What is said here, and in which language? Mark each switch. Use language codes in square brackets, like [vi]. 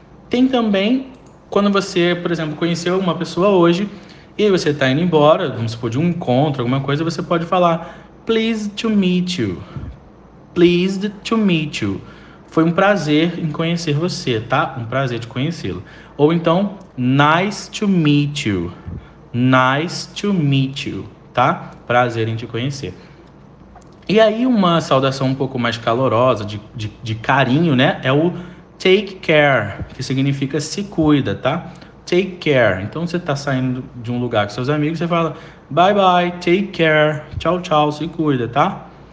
[pt] Tem também quando você, por exemplo, conheceu uma pessoa hoje e você tá indo embora, vamos supor, de um encontro, alguma coisa, você pode falar pleased to meet you. Pleased to meet you. Foi um prazer em conhecer você, tá? Um prazer de conhecê-lo. [en] Ou então, nice to meet you. [pt] Nice to meet you. Tá? Prazer em te conhecer. E aí, uma saudação um pouco mais calorosa, de carinho, né? É o take care, que significa se cuida, tá? Take care. Então, você tá saindo de um lugar com seus amigos, você fala bye bye, take care, tchau, tchau, se cuida, tá?